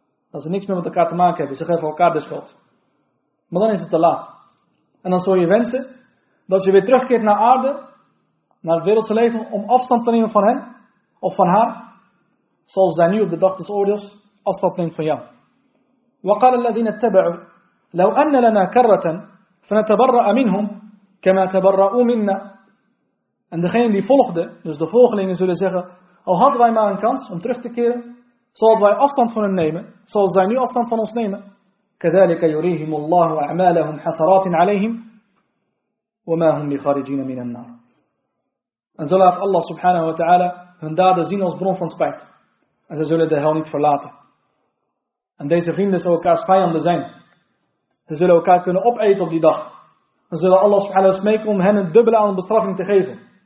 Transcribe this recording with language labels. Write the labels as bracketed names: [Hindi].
[Dutch] Dat ze niks meer met elkaar te maken hebben. Ze geven elkaar de schuld. Maar dan is het te laat. En dan zul je wensen dat je weer terugkeert naar aarde, naar het wereldse leven, om afstand te nemen van hen of van haar, zoals zij nu op de dag des oordeels afstand neemt van jou. [Arabic] وقال الذين اتبعوا لو أن لنا كرة فنتبرأ منهم كما تبرأوا منا. [Dutch] En degene die volgde, dus de volgelingen, zullen zeggen: al hadden wij maar een kans om terug te keren, zal wij afstand van hen nemen, zoals zij nu afstand van ons nemen. [Arabic] كذلك يريهم الله أعمالهم حسرات عليهم وما هم بخارجين من النار. [Dutch] En zo laat Allah subhanahu wa ta'ala hun daden zien als bron van spijt. En ze zullen de hel niet verlaten. En deze vrienden zullen elkaars vijanden zijn. Ze zullen elkaar kunnen opeten op die dag. Ze zullen Allah subhanahu wa ta'ala smeken om hen een dubbele aan bestraffing te geven.